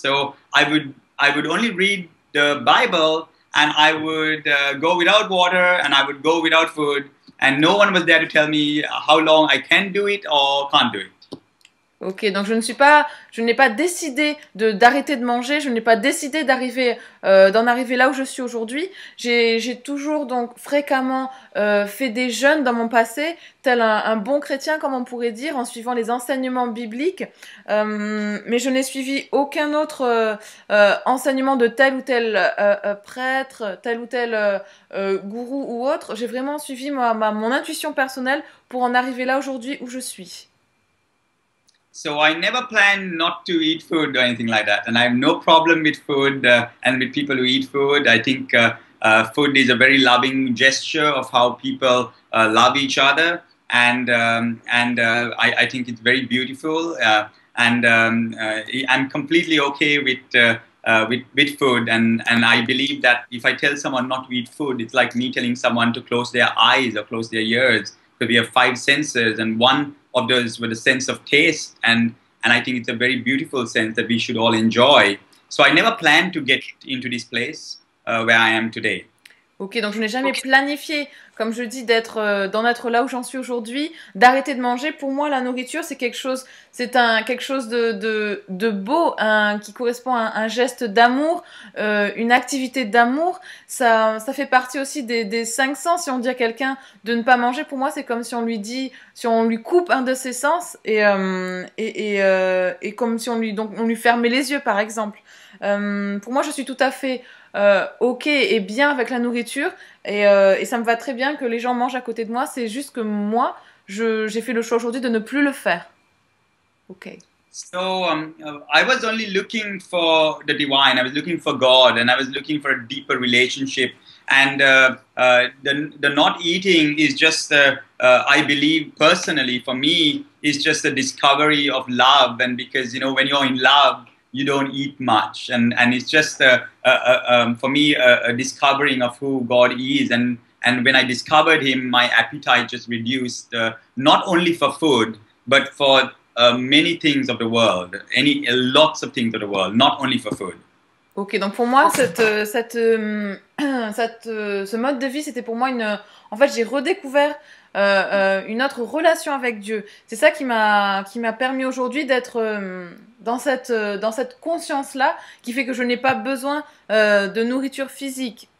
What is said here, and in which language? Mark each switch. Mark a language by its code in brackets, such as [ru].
[en] So I would only read the Bible and I would go without water and I would go without food, and no one was there to tell me how long I can do it or can't do it. [fr] Ok, donc je n'ai pas décidé d'arrêter de manger, je n'ai pas décidé d'en arriver là où je suis aujourd'hui. J'ai toujours donc fréquemment fait des jeûnes dans mon passé, tel un bon chrétien comme on pourrait dire, en suivant les enseignements bibliques. Mais je n'ai suivi aucun autre enseignement de tel ou tel prêtre, tel ou tel gourou ou autre. J'ai vraiment suivi mon intuition personnelle pour en arriver là aujourd'hui où je suis. [en] So I never planned not to eat food or anything like that. And I have no problem with food and with people who eat food. I think food is a very loving gesture of how people love each other. And I think it's very beautiful. I'm completely okay with food. And I believe that if I tell someone not to eat food, it's like me telling someone to close their eyes or close their ears. So we have five senses, and one of those with a sense of taste, and I think it's a very beautiful sense that we should all enjoy. So I never planned to get into this place where I am today. [fr] Ok, donc je n'ai jamais planifié, comme je dis, d'en être là où j'en suis aujourd'hui, d'arrêter de manger. Pour moi, la nourriture, c'est quelque chose de beau, qui correspond à un geste d'amour, une activité d'amour. Ça fait partie aussi des cinq sens. Si on dit à quelqu'un de ne pas manger, pour moi, c'est comme si on lui dit, si on lui coupe un de ses sens et comme si on lui fermait les yeux, par exemple. Pour moi, je suis tout à fait ok et bien avec la nourriture, et ça me va très bien que les gens mangent à côté de moi. C'est juste que moi, j'ai fait le choix aujourd'hui de ne plus le faire. Ok. [en] So I was only looking for the divine. I was looking for God, and I was looking for a deeper relationship. And the not eating is just I believe personally for me is just a discovery of love. And because you know when you're in love, you don't eat much, and it's just for me a discovering of who God is, and when I discovered Him, my appetite just reduced, not only for food but for many things of the world, lots of things of the world, not only for food. [fr] Ok, donc pour moi, ce mode de vie, c'était pour moi une. En fait, j'ai redécouvert une autre relation avec Dieu. C'est ça qui m'a permis aujourd'hui d'être dans cette conscience-là, qui fait que je n'ai pas besoin de nourriture physique.